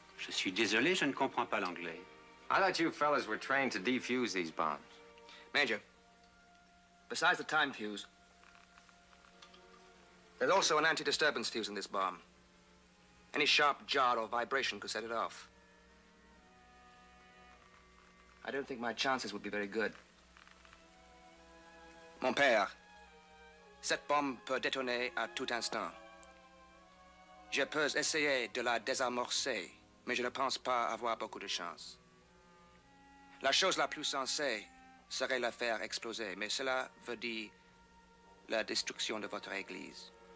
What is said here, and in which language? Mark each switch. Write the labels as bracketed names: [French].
[French] Je suis désolé, je ne comprends pas l'anglais. [English] I thought you fellas were trained to defuse these bombs. Major, besides the time fuse, There's also an anti-disturbance fuse in this bomb. Any sharp jar or vibration could set it off. I don't think my chances would be very good. [French] Mon père, cette bombe peut détonner à tout instant. Je peux essayer de la désamorcer, mais je ne pense pas avoir beaucoup de chance. La chose la plus sensée serait la faire exploser, mais cela veut dire la destruction de votre église.